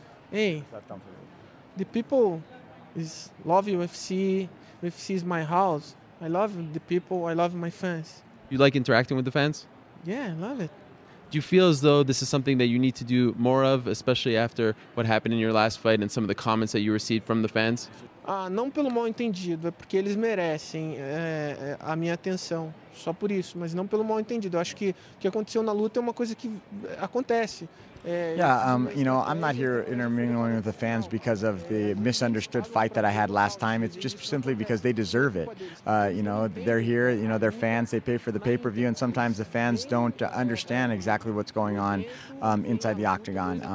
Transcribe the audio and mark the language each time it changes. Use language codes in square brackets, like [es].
[en] Hey, the people is love UFC. UFC is my house. I love the people. I love my fans. You like interacting with the fans? Yeah, I love it. Do you feel as though this is something that you need to do more of, especially after what happened in your last fight and some of the comments that you received from the fans? [pt] Não pelo mal entendido, é porque eles merecem a minha atenção, só por isso, mas não pelo mal entendido. Eu acho que o que aconteceu na luta é uma coisa que acontece. [en] Yeah, you know, I'm not here intermingling with the fans because of the misunderstood fight that I had last time. It's just simply because they deserve it. You know, they're here, you know, they're fans, they pay for the pay-per-view, and sometimes the fans don't understand exactly what's going on inside the octagon.